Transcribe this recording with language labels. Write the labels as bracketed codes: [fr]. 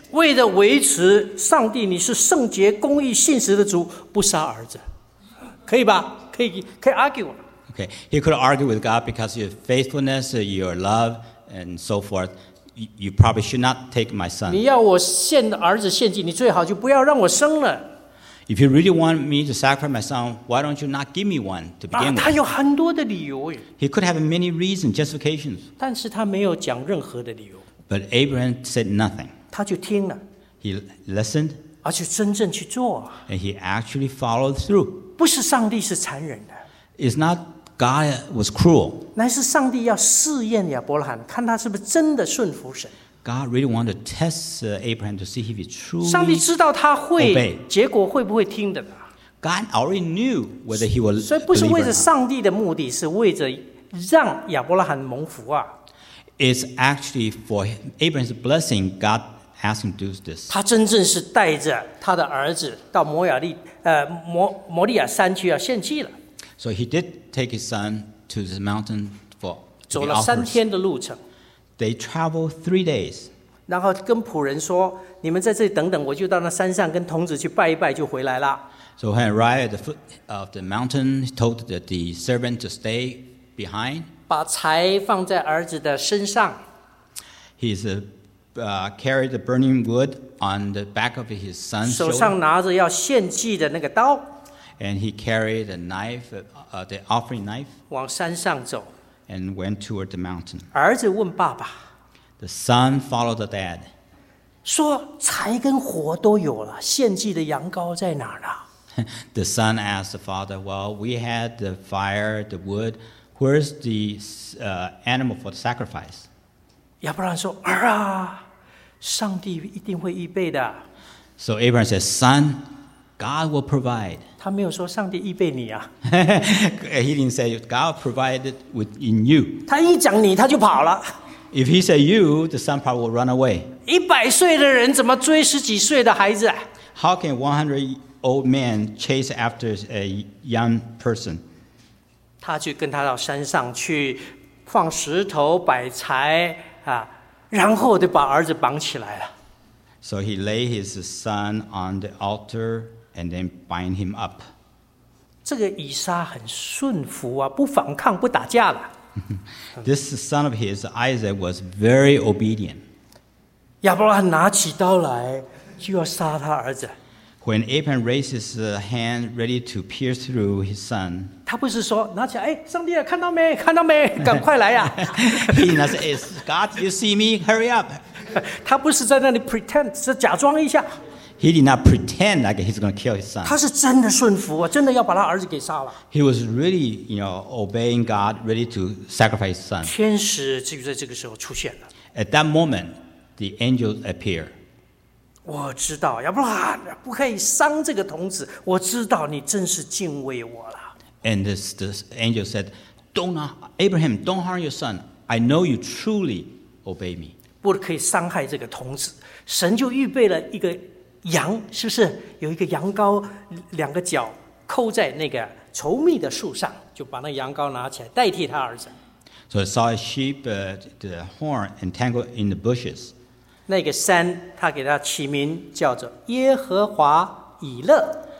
[zh] 为了维持上帝，你是圣洁、公义、信实的主，不杀儿子，可以吧？可以 argue。 [en] Okay, he could argue with God because your faithfulness, your love, and so forth. You probably should not take my son. [zh] 你要我献儿子献祭，你最好就不要让我生了。 [en] If you really want me to sacrifice my son, why don't you not give me one to begin with? [zh] 他有很多的理由。 [en] He could have many reasons, justifications. [zh] 但是他没有讲任何的理由。 [en] But Abraham said nothing. [zh] 他就听了 [en] ，He listened， [zh] 而且真正去做 [en] ，And he actually followed through。 [zh] 不是上帝是残忍的 [en] ，It's not God was cruel。 [zh] 乃是上帝要试验亚伯拉罕，看他是不是真的顺服神。 [en] God really wanted to test Abraham to see if he truly [zh] 上帝知道他会结果会不会听的 [en] God already knew whether he will。 [zh] 所以不是为着上帝的目的，是为着让亚伯拉罕蒙福啊。 [en] It's actually for Abraham's blessing. God asked him to do this. [zh] 他真正是带着他的儿子到摩利亚山去要献祭了。 [en] So he did take his son to the mountain for the offering. [zh] 走了三天的路程。 [en] They traveled 3 days. [zh] 然后跟仆人说：“你们在这里等等，我就到那山上跟童子去拜一拜，就回来了。” [en] So when he arrived at the foot of the mountain, he told the servant to stay behind. [zh] 把柴放在儿子的身上。 [en] He's carried the burning wood on the back of his son's shoulder. [zh] 手上拿着要献祭的那个刀。 [en] And he carried a knife, the offering knife. [zh] 往山上走。 [en] And went toward the mountain. [zh] 儿子问爸爸。 [en] The son followed the dad. [zh] 说柴跟火都有了，献祭的羊羔在哪儿呢？ [en] The son asked the father, well, we had the fire, the wood, where's the animal for the sacrifice? [zh] 亚伯兰说，儿啊，上帝一定会预备的。 [en] So Abraham says, son, God will provide. [zh] 他没有说上帝预备你啊。 [en] He didn't say God provided in you. [zh] 他一讲你他就跑了。 [en] If he said you, the son probably will run away. [zh] 一百岁的人怎么追十几岁的孩子？ [en] How can 100 old man chase after a young person? [zh] 他就跟他到山上去放石头摆柴啊，然后就把儿子绑起来了。 [en] So he lay his son on the altar and then bind him up. [zh] 这个以撒很顺服啊，不反抗，不打架了。 [en] This son of his, Isaac, was very obedient. [zh] 亚伯拉罕拿起刀来，就要杀他儿子。 [en] When Abraham raised his hand ready to pierce through his son, [zh] 他不是说拿起来，哎，上帝啊，看到没？看到没？赶快来呀！ [en] He not say, God, you see me? Hurry up! [zh] 他不是在那里 pretend, 是假装一下。 [en] He did not pretend like he's going to kill his son. [zh] 他是真的顺服啊，真的要把他儿子给杀了。 [en] He was really, you know, obeying God, ready to sacrifice his son. [zh] 天使就在这个时候出现了。 [en] At that moment, the angel appeared. [zh] 我知道，亚伯拉罕不可以伤这个童子。我知道你真是敬畏我了。 [en] And the angel said, "Don't Abraham, don't harm your son. I know you truly obey me." [zh] 不可以伤害这个童子。神就预备了一个羊，是不是有一个羊羔，两个脚扣在那个稠密的树上，就把那羊羔拿起来代替他儿子。 [en] So I saw a sheep, the horn entangled in the bushes. [zh] 那个山，他给他起名叫做耶和华以勒。